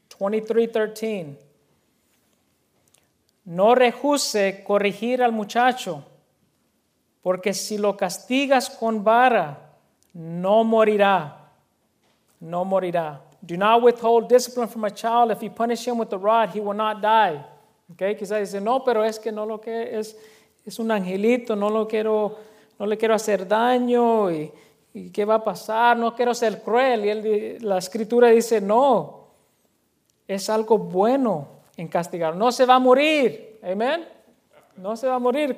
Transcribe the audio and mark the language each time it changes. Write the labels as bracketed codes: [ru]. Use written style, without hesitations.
[es] 23:13. No rehúse corregir al muchacho, porque si lo castigas con vara, no morirá. No morirá. [en] Do not withhold discipline from a child. If you punish him with the rod, he will not die. Okay? [es] Quizás dice, no, pero es que no lo que es un angelito, no le quiero hacer daño. ¿Y qué va a pasar? No quiero ser cruel. Y la Escritura dice, no, es algo bueno en castigar, no se va a morir, amén, no se va a morir.